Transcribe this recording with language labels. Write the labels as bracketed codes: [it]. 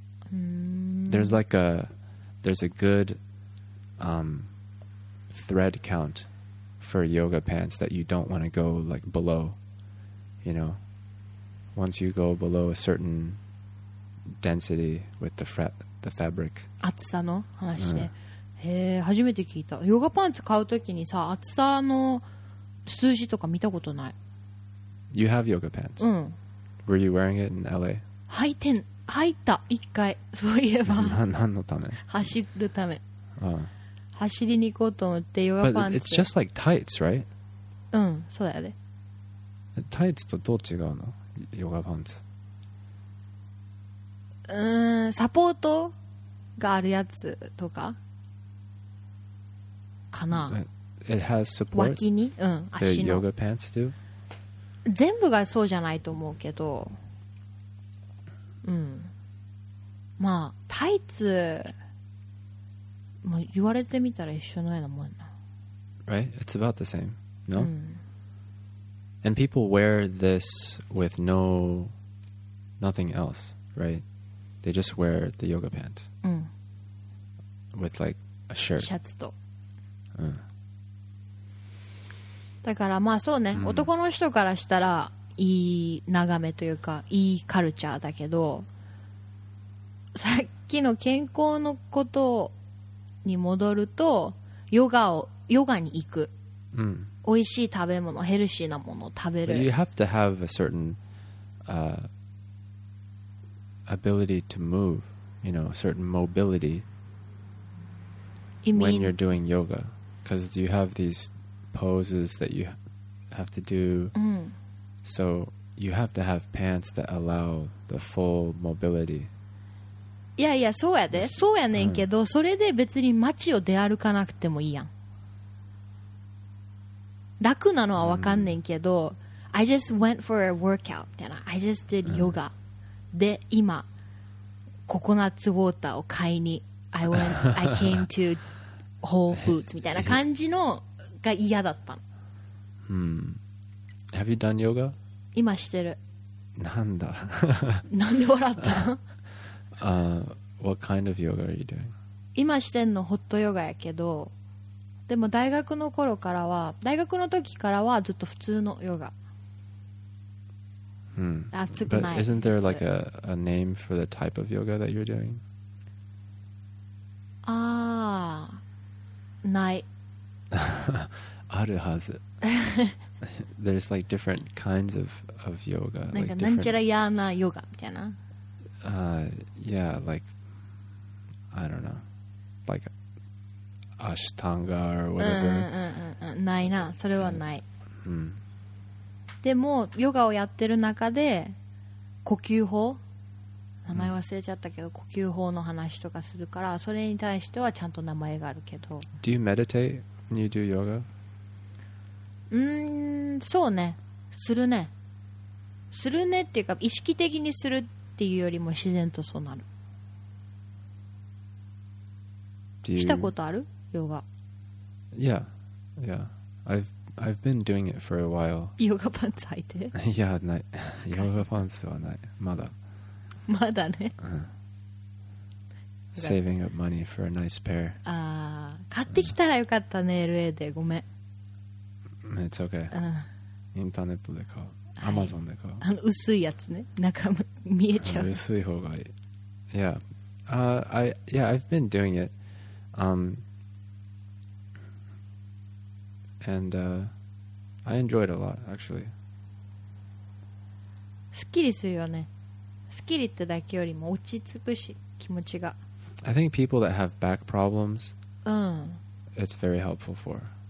[en] There's a good thread count for yoga pants that you don't want to go like below. You know, once you go below a certain density with the fabric. [ja] 厚さの話で。へえ、初めて聞いた。ヨガパンツ買うときにさ、厚さの数字とか見たことない。 [en] You have yoga pants. Were you wearing it in LA? [ja] 履いた一回。そういえば。何のため？走るため。走りに行こうと思ってヨガパンツ。 [en] But it's just like tights, right? [ja] そうだよね。タイツとどう違うの？ヨガパンツ。サポートがあるやつとかかな。 [en] It has support. [ja] 脇に、足の。 [en] The yoga pants do. [ja] 全部がそうじゃないと思うけど、まあタイツ、まあ、言われてみたら一緒のようなもんな。 [en] Right, it's about the same. No.、And people wear this with nothing else, right? They just wear the yoga pants. With like a shirt. [ja] シャツと。だからまあそうね、男の人からしたらいい眺めというかいいカルチャーだけど、さっきの健康のことに戻るとヨガに行く、美味しい食べ物ヘルシーなものを食べる。 [en] You have to have a certain ability to move, you know, a certain mobility when you're doing yoga. Because you have these poses that you have to do. Mm. So you have to have pants that allow the full mobility. [ja] いやいや、そうやで。そうやねんけど、それで別に街を出歩かなくてもいいやん。楽なのはわかんねんけど、 [en] I just went for a workout [ja] みたいな。 [en] I just did yoga. [ja] で、今、ココナッツウォーターを買いに、 [en] I came to Whole Foods [ja] みたいな感じのが嫌だったの。 [en] Have you done yoga? [ja] 今してる。なんだ。なんで笑ったの？ [en] What kind of yoga are you doing? [ja] 今してんのホットヨガやけど、でも大学の頃からは、大学の時からはずっと普通のヨガ。熱くない。 [en] But isn't there like a name for the type of yoga that you're doing? [ja] ああ、ない。あるはず。 [en] There's like different kinds of yoga. [ja] なんかなんちゃらやなヨガみたいな。 [en] Yeah, like, I don't know, like Ashtanga or whatever. [ja] ないな、それはない。うん。でもヨガをやってる中で呼吸法、名前忘れちゃったけど、呼吸法の話とかするから、それに対してはちゃんと名前があるけど。 [en] Do you meditate when you do yoga? [ja] そうね、するね。するねっていうか意識的にする。っていうよりも自然とそうなる。したことある？ヨガ。 [en] Yeah, yeah. I've been doing it for a while. [ja] ヨガパンツ履いて？いや、ない。ヨガパンツはない。まだ。まだね。 [en] Saving up money for a nice pair. [ja] ああ、買ってきたらよかったね、LA で。ごめん。 [en] It's okay. [ja] インターネットで買う。アマゾンで買う。あの薄いやつね、中も見えちゃう。薄い方がいい。 [en] Yeah, I've been doing it, and I enjoyed a lot actually. [ja] すっきりするよね。すっきりってだけよりも落ち着くし、気持ちが。 [en] I think people that have back problems, it's very helpful for.